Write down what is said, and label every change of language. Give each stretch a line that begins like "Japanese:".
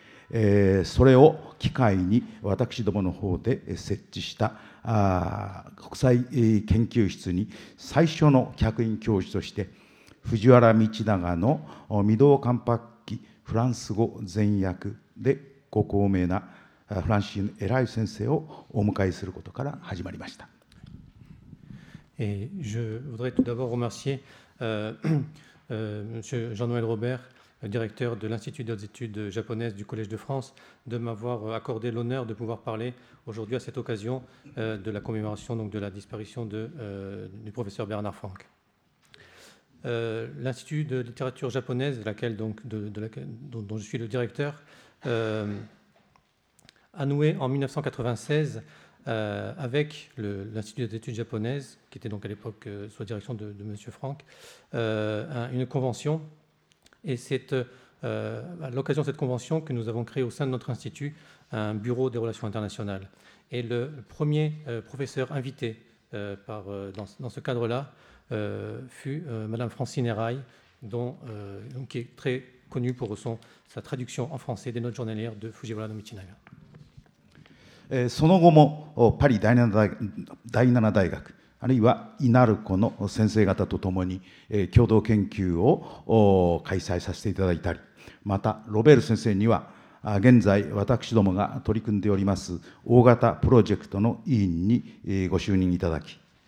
Japanese: て、それを機会に私どもの方で設置した国際研究室に最初の客員教授として藤原道長の御堂関白記フランス語全訳でご高名なフランシーヌ・エライ先生をお迎えすることから始まりました。
French: Je voudrais tout d'abord remercier M. Jean-Noël Robert directeur de l'Institut des études japonaises du Collège de France, de m'avoir accordé l'honneur de pouvoir parler aujourd'hui à cette occasion de la commémoration donc, de la disparition du professeur Bernard Franck. L'Institut de littérature japonaise, dont je suis le directeur, a noué en 1996 avec l'Institut d'études japonaises, qui était donc à l'époque sous la direction de M. Franck, une convention. Et c'est à l'occasion de cette convention que nous avons créé au sein de notre institut un bureau des relations internationales. Et le premier professeur invité dans ce cadre-là fut Mme Francine Herail, qui est très connue pour sa traduction en français des notes journalières de Fujiwara no Michinaga.
Japanese: その後もパリ第七大学あるいはイナルコの先生方とともに共同研究を開催させていただいたり、またロベール先生には現在私どもが取り組んでおります大型プロジェクトの委員にご就任いただき、